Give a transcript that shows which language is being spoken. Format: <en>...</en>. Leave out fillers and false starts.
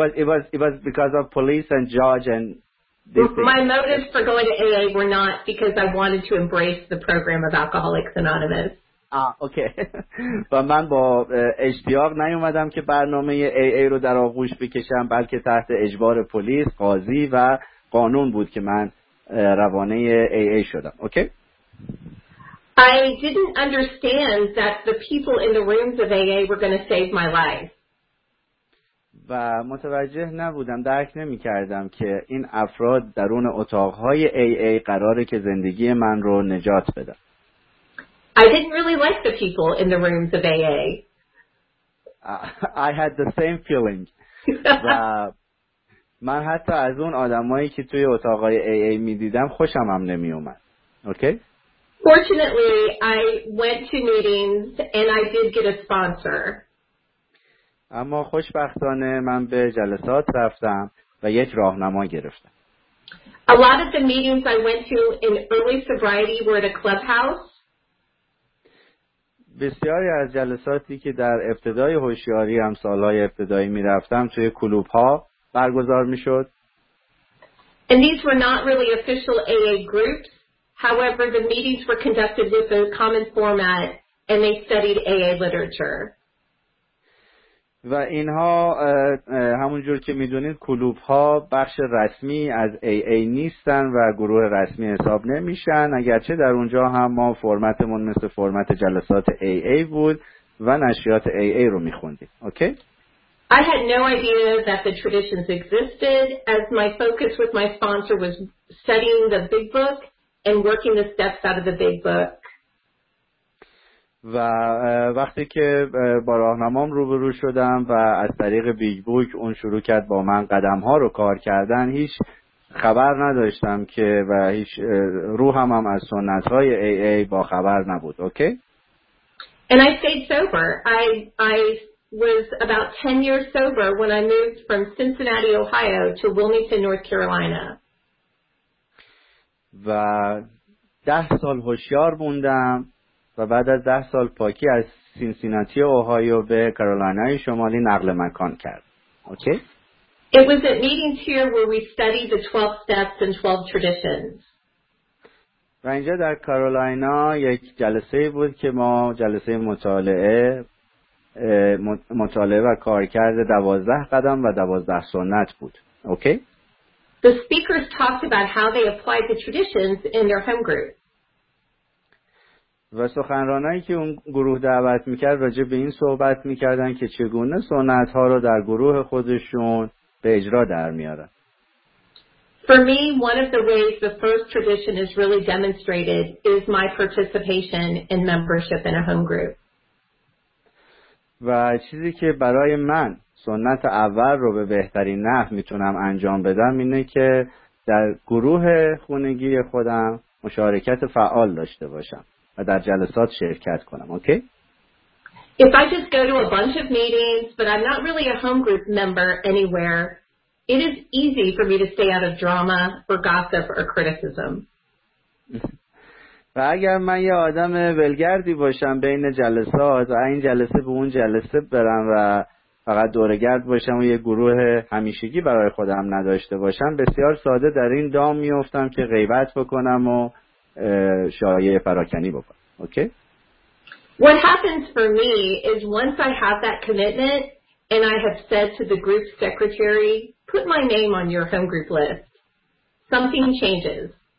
<en>It was because of police and judge and this. My motives for going to AA were not because I wanted to embrace the program of Alcoholics Anonymous. Okay.</en> <fa>But من با اشتیاق نیومدم که برنامه AA رو در آغوش بکشم، بلکه تحت اجبار پلیس، قاضی و قانون بود که من روانه AA شدم.</fa> <en>Okay. I didn't understand that the people in the rooms of AA were going to save my life.</en> <fa>و متوجه نبودم، درک نمی کردم که این افراد درون اتاقهای AA قراره که زندگی من رو نجات بدن.</fa> <en>I didn't really like the people in the rooms of AA. I had the same feeling.</en> <fa>و من حتی از اون آدمایی که توی اتاقهای AA می دیدم خوشم هم نمی اومد.</fa> <en>Okay? Fortunately, I went to meetings and I did get a sponsor.</en> <fa>اما خوشبختانه من به جلسات رفتم و یک راهنما گرفتم.</fa> <en>A lot of the meetings I went to in early sobriety were at a clubhouse.</en> <fa>بسیاری از جلساتی که در ابتدای هوشیاری هم سالهای ابتدایی می رفتم توی کلوب ها برگزار می شد.</fa> <en>And these were not really official AA groups. However, the meetings were conducted with a common format and they studied AA literature.</en> <fa>و اینها همون جور که میدونید کلوب ها بخش رسمی از AA نیستن و گروه رسمی حساب نمیشن، اگرچه در اونجا هم ما فرمتمون مثل فرمت جلسات AA بود و نشریات AA رو میخوندیم. اوکی؟</fa> <en>I had no idea that the traditions existed, as my focus with my sponsor was studying the Big Book and working the steps out of the Big Book.</en> <fa>و وقتی که با راهنمام روبرو شدم و از طریق بیگ بوک اون شروع کرد با من قدم ها رو کار کردن، هیچ خبر نداشتم که و هیچ روحم هم از سنت های ای ای با خبر نبود.</fa> <en>Okay? And I stayed sober. I was about 10 years sober when I moved from Cincinnati, Ohio to Wilmington, North Carolina.</en> <fa>و 10 سال هوشیار موندم و بعد از 10 سال پاکی از سینسیناتی اوهایو به کارولینای شمالی نقل مکان کرد.</fa> <en>Okay? It was at meetings here where we studied the 12 steps and 12 traditions.</en> <fa>و اینجا در کارولینا یک جلسه بود که ما جلسه مطالعه و کارکرد 12 قدم و 12 سنت بود.</fa> <en>Okay? The speakers talked about how they applied the traditions in their home group.</en> <fa>و سخنرانایی که اون گروه دعوت میکرد راجع به این صحبت میکردن که چگونه سنت ها رو در گروه خودشون به اجرا در میارن.</fa> <en>For me, one of the ways the first tradition is really demonstrated is my participation in membership in a home group.</en> <fa>و چیزی که برای من سنت اول رو به بهترین نحو میتونم انجام بدم اینه که در گروه خونگی خودم مشارکت فعال داشته باشم و در جلسات شرکت کنم.</fa> <en>Okay? If I just go to a bunch of meetings but I'm not really a home group member anywhere, it is easy for me to stay out of drama or gossip or criticism.</en> <fa>و اگر من یه آدم ولگردی باشم بین جلسات و این جلسه به اون جلسه برم و فقط دورگرد باشم و یه گروه همیشگی برای خودم نداشته باشم، بسیار ساده در این دام میافتم که غیبت بکنم و شایعه فراکنی بکن.</fa> <en>Okay? What happens for me is once I have that commitment and I have said to the group secretary, put my name on your home group list, something changes.</en>